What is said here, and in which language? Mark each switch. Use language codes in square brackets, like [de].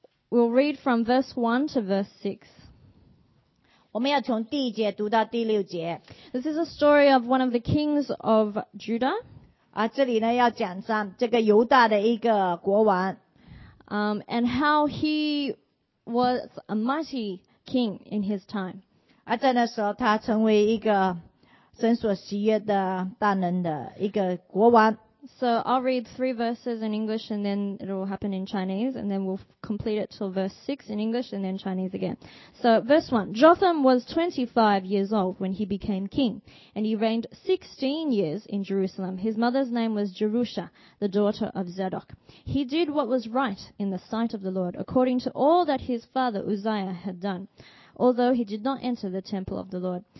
[en] We'll read from verse 1 to verse 6. [zh] 我们要从第一节读到第六节。 [en] This is a story of one of the kings of Judah. [zh] 啊，这里呢要讲上这个犹大的一个国王。 [en] And how he was a mighty king in his time. [zh] 啊，在那时候他成为一个神所喜悦的大能的一个国王。 [en] So I'll read 3 verses in English and then it will happen in Chinese and then we'll complete it till verse 6 in English and then Chinese again. So verse 1, Jotham was 25 years old when he became king and he reigned 16 years in Jerusalem. His mother's name was Jerusha, the daughter of Zadok. He did what was right in the sight of the Lord according to all that his father Uzziah had done, although he did not enter the temple of the Lord.